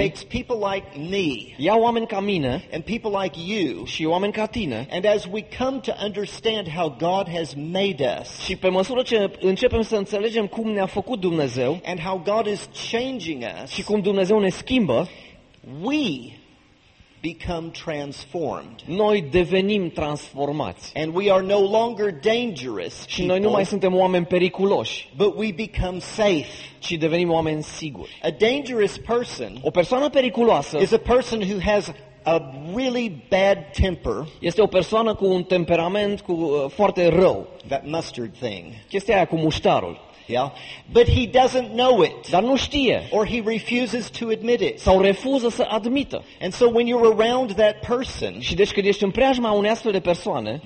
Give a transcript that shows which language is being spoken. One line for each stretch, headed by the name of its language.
English: Takes people like me.
Romanian: Ia oameni ca mine.
English: And people like you.
Romanian: Și oameni ca tine.
English: And as we come to understand how God has made us.
Romanian: Și pe măsură ce începem să înțelegem cum ne-a făcut Dumnezeu.
English: And how God is changing us.
Romanian: Și cum Dumnezeu ne schimbă,
English: we become transformed.
Romanian: Noi devenim transformați.
English: And we are no longer dangerous.
Romanian: Și noi nu mai suntem oameni periculoși.
English: But we become safe.
Romanian: Ci devenim oameni siguri.
English: A dangerous person.
Romanian: O persoană periculoasă.
English: Is a person who has a really bad temper.
Romanian: Este o persoană cu un temperament cu foarte rău.
English: That mustard thing.
Romanian: Chestia aia cu muștarul.
English: Yeah. But he doesn't know it.
Romanian: Dar nu știe.
English: Or he refuses to admit it.
Romanian: Sau refuză să admită.
English: And so when you're around that person,
Romanian: și deci când ești în preajma unei astfel de persoane,